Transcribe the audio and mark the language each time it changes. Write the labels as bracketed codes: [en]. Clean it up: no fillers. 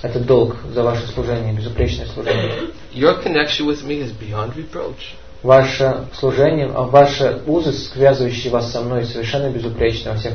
[ru] Это долг за ваше служение, безупречное служение. [en] Your connection with me is beyond reproach. [ru] Ваше служение, ваши узы, связывающие вас со мной, совершенно безупречны во всех